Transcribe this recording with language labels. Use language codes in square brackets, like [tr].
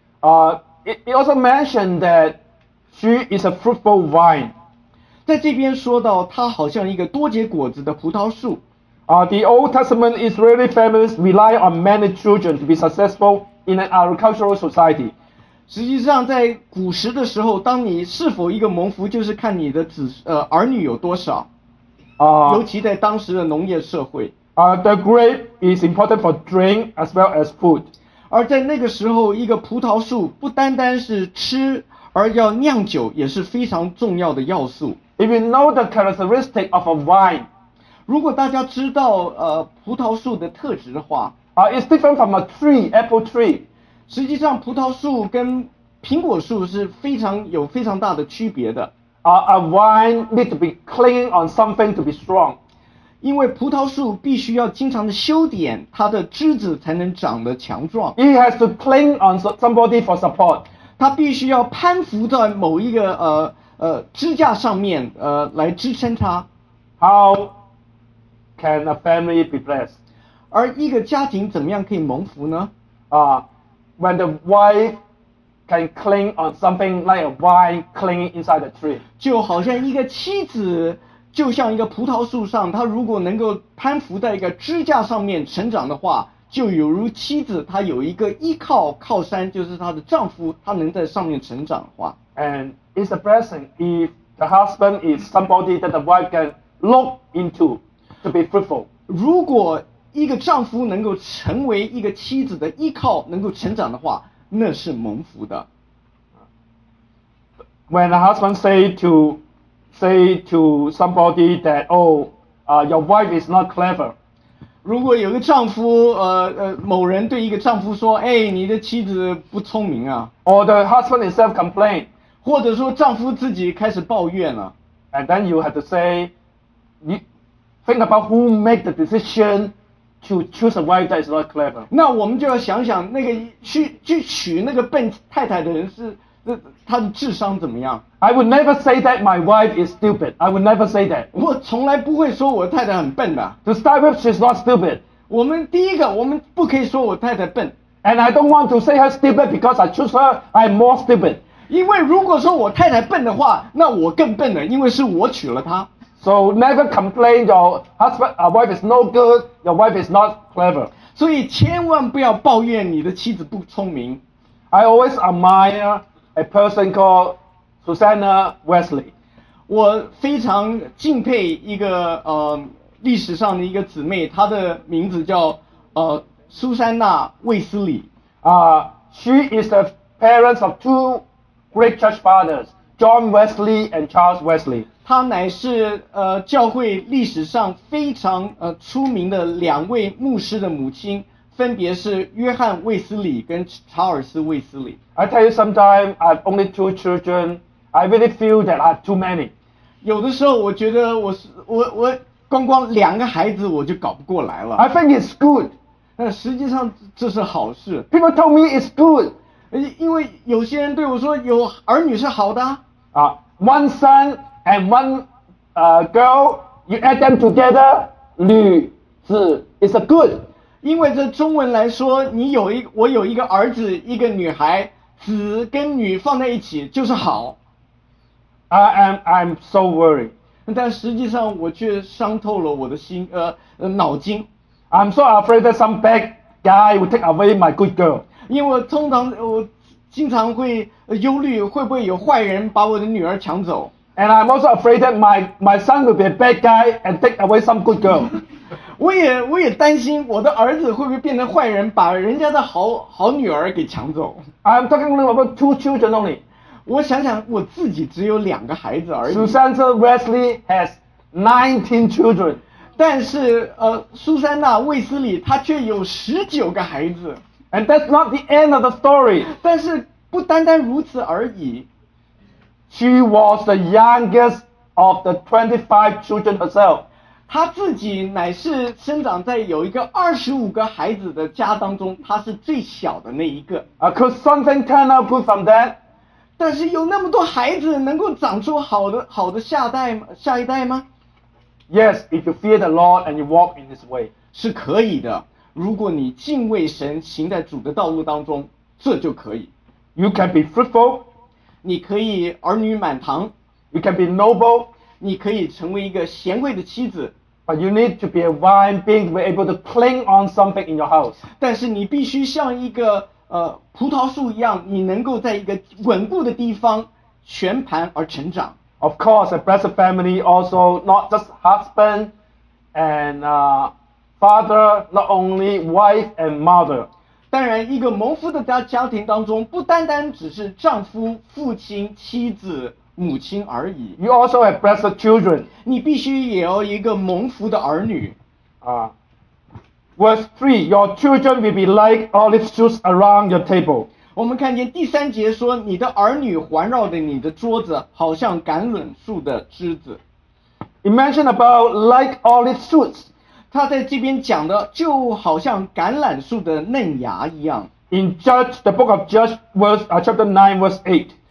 [en] It also mentioned that she is a fruitful vine. [zh] 在这边说到她好像一个多结果子的葡萄树。 [en] The Old Testament Israeli families rely on many children to be successful in an agricultural society. [zh] 实际上在古时的时候，当你是否一个蒙福就是看你的儿女有多少。尤其在当时的农业社会。 [en] The grape is important for drink as well as food. [zh] 而在那个时候，一个葡萄树不单单是吃，而要酿酒也是非常重要的要素。 [en] If you know the characteristic of a vine, [zh] 如果大家知道葡萄树的特质的话， [en] It's different from a tree, apple tree. [zh] 实际上葡萄树跟苹果树是非常大的区别的。 [en] A vine need to be clinging on something to be strong. [zh] 因为葡萄树必须要经常的修剪，它的枝子才能长得强壮。 [en] It has to cling on somebody for support. [zh] 它必须要攀附在某一个支架上面来支撑它。 [en] How can a family be blessed? [zh] 而一个家庭怎么样可以蒙福呢？ [en] When the wife can cling on something like a vine clinging inside the tree. [zh] 就好像一个妻子就像一个葡萄树上，她如果能够攀附在一个支架上面成长的话，就有如妻子她有一个依靠靠山，就是她的丈夫她能在上面成长的话。 [en] And it's a blessing if the husband is somebody that the wife can look into to be fruitful. [zh] 如果一个丈夫能够成为一个妻子的依靠能够成长的话，那是蒙福的。 [en] When a husband say to somebody that, your wife is not clever. [zh] 如果有个丈夫，某人对一个丈夫说，哎，你的妻子不聪明啊。 [en] Or the husband himself complain. [zh] 或者说丈夫自己开始抱怨了。 [en] And then you have to say, you think about who make the decision. To choose a wife that is not clever. [zh] 那我们就要想想那个去娶那个笨太太的人是，他的智商怎么样？ [en] I would never say that my wife is stupid. I would never say that. [zh] 我从来不会说我太太很笨的。 [en] To start with, she's not stupid. [zh] 我们第一个，我们不可以说我太太笨。 [en] And I don't want to say her stupid because I choose her, I'm more stupid. [zh] 因为如果说我太太笨的话，那我更笨了，因为是我娶了她。 [en] So never complain your husband, wife is no good, your wife is not clever. [zh] 所以千万不要抱怨你的妻子不聪明。 [en] I always admire a person called Susanna Wesley. [zh] 我非常敬佩一个历史上的一个姊妹，她的名字叫苏珊娜·卫斯理。 [en] She is the parents of two great church fathers, John Wesley and Charles Wesley. [zh] 她乃是教会历史上非常出名的两位牧师的母亲，分别是约翰·卫斯理跟查尔斯·卫斯理。 [en] I tell you sometimes I have only two children. I really feel that I have too many. [zh] 有的时候我觉得我光光两个孩子我就搞不过来了。 [en] I think it's good. [zh] 但实际上这是好事。 [en] People told me it's good. [zh] 因为有些人对我说有儿女是好的。 [en] One son. And one girl, you add them together, [zh] 女子 [en] is a good. [zh] 因为这中文来说，我有一个儿子，一个女孩，子跟女放在一起就是好。 [en] I'm so worried. [zh] 但实际上我却伤透了我的心，脑筋。 [en] I'm so afraid that some bad guy will take away my good girl. [zh] 因为通常我经常会忧虑会不会有坏人把我的女儿抢走。 [en] And I'm also afraid that my son will be a bad guy and take away some good girl. [zh] 我也担心我的儿子会不会变成坏人把人家的好女儿给抢走。 [en] I'm talking about two children only. [zh] 我想想我自己只有两个孩子而已。 [en] Susanna Wesley has 19 children. [zh] 但是苏珊娜卫斯理她却有19个孩子。 [en] And that's not the end of the story. [zh] 但是不单单如此而已。 [en] She was the youngest of the 25 children herself. [zh] 她自己乃是生长在有一个25个孩子的家当中，她是最小的那一个。 [en] Could something turn out good from that? [zh] 但是有那么多孩子能够长出好的下一代吗？ [en] Yes, if you fear the Lord and you walk in His way. [zh] 是可以的。如果你敬畏神，行在主的道路当中，这就可以。 [en] You can be fruitful. [zh] 你可以儿女满堂。 [en] You can be noble. [zh] 你可以成为一个贤惠的妻子。 [en] But you need to be a vine being able to cling on something in your house. [zh] 但是你必须像一个葡萄树一样，你能够在一个稳固的地方全盘而成长。 [en] Of course, a blessed family also not just husband and father, not only wife and mother. [zh] 当然一个蒙福的家庭当中不单单只是丈夫、父亲、妻子、母亲而已。 [en] You also have blessed children. [zh] 你必须也有一个蒙福的儿女。 [en] Verse 3, your children will be like olive juice around your table. [zh] 我们看见第三节说你的儿女环绕着你的桌子好像橄榄树的枝子。 [en] Imagine about like olive juice. [zh] 他在这边讲的就好像橄榄树的嫩芽一样。 [en] In Judge, the book of Judge, verse, chapter 9, verse 8.